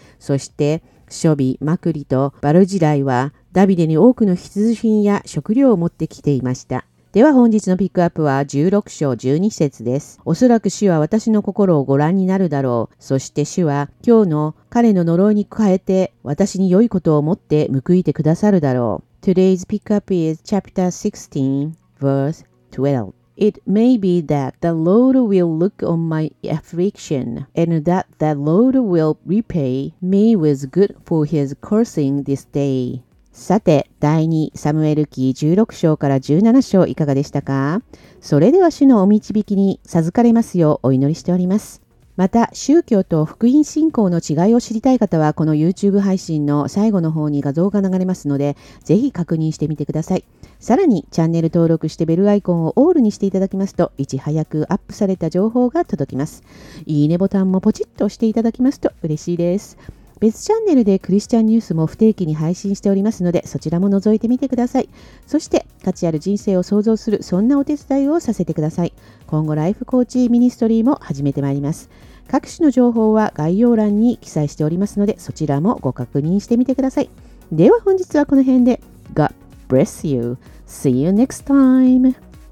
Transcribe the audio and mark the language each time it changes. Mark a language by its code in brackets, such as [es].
[ja] そして、ショビ、マクリとバルジライは、ダビデに多くの必需品や食料を持ってきていました。では本日のピックアップは16章12節です。おそらく主は私の心をご覧になるだろう。そして主は今日の彼の呪いに変えて私に良いことを持って報いてくださるだろう。 [en] Today's pickup is chapter 16, verse 12. It may be that the Lord will look on my affliction and that the Lord will repay me with good for his cursing this day. [ja] さて、第2サムエル記16章から17章いかがでしたか？それでは主のお導きに授かれますようお祈りしております。また、宗教と福音信仰の違いを知りたい方は、この YouTube 配信の最後の方に画像が流れますので、ぜひ確認してみてください。さらに、チャンネル登録してベルアイコンをオールにしていただきますと、いち早くアップされた情報が届きます。いいねボタンもポチッと押していただきますと嬉しいです。別チャンネルでクリスチャンニュースも不定期に配信しておりますので、そちらも覗いてみてください。そして、価値ある人生を創造する、そんなお手伝いをさせてください。今後、ライフコーチミニストリーも始めてまいります。各種の情報は概要欄に記載しておりますので、そちらもご確認してみてください。では本日はこの辺で、 [en] God bless you. See you next time.